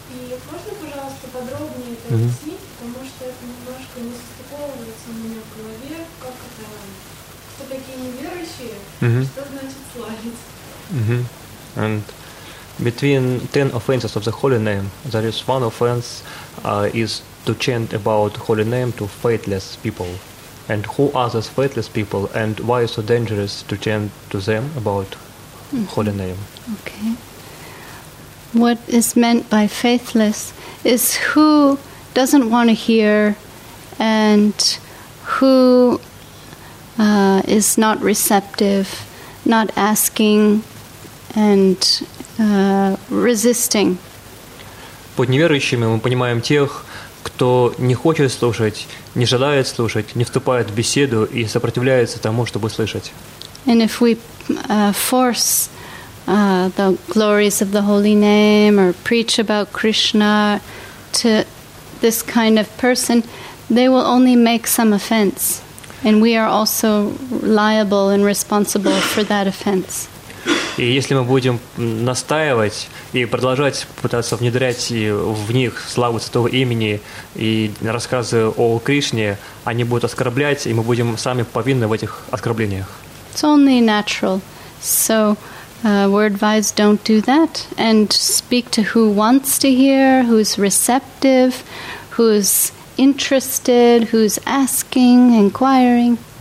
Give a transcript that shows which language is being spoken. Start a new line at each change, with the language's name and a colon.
Russian: И можно, пожалуйста, подробнее это объяснить, потому что это немножко не состыковывается у меня в голове, как это, кто такие неверующие, что значит славить.
English: And between 10 offenses of the holy name, there is one offense is to chant about holy name to faithless people. And who are those faithless people, and why is it so dangerous to chant to them about holy name? Okay. What is meant by faithless is who doesn't want to hear and who is not receptive, not asking, and resisting.
Russian: Под неверующими мы понимаем тех, кто не хочет слушать, не желает слушать, не вступает в беседу и сопротивляется тому, чтобы слышать.
English: And if we force the glories of the holy name or preach about Krishna to this kind of person, they will only make some offense. And we are also liable and responsible for that offense.
Russian: И если мы будем настаивать и продолжать пытаться внедрять в них славу Святого Имени и рассказы о Кришне, они будут оскорблять, и мы будем сами повинны в этих оскорблениях.
English: It's only natural. So we're advised don't do that and speak to who wants to hear, who's receptive, who's interested, who's asking, inquiring.